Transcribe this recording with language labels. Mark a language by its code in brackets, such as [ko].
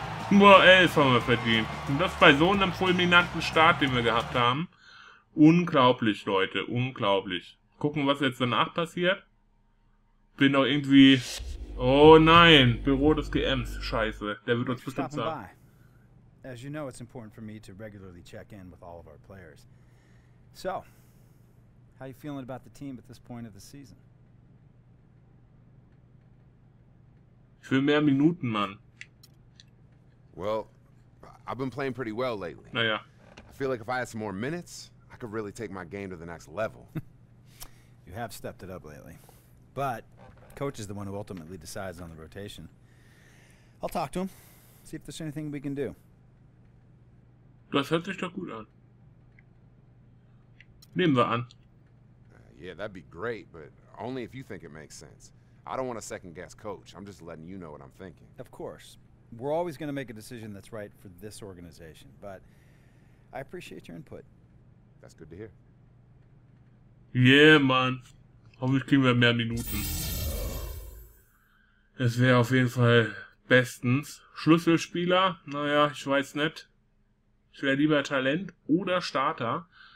[de] Nur 11 haben wir verdient. Und das bei so einem fulminanten Start, den wir gehabt haben. Unglaublich, Leute, unglaublich. Gucken, was jetzt danach passiert. Bin doch irgendwie... Oh nein, Büro des GMs, scheiße. Der wird uns bestimmt sagen. [en] As you know, it's important for me to regularly check in with all of our players. So, how are you feeling about the team at this point of the season? [de] Ich will mehr Minuten, Mann. [en] Well, I've been playing pretty well lately. [de] Naja. [en] I feel like if I had some more minutes... I could really take my game to the next level. You have stepped it up lately. But coach is the one who ultimately decides on the rotation. I'll talk to him. See if there's anything we can do. [de] Das hört sich doch gut an. Nehmen wir an. [en] Yeah, that'd be great, but only if you think it makes sense. I don't want to second guess coach. I'm just letting you know what I'm thinking. Of course. We're always going to make a decision that's right for this organization, but I appreciate your input. That's good to hear. [de] Yeah, Mann. Hoffentlich kriegen wir mehr Minuten. Es wäre auf jeden Fall bestens. Schlüsselspieler? Naja, ich weiß nicht. Ich wäre lieber Talent oder Starter.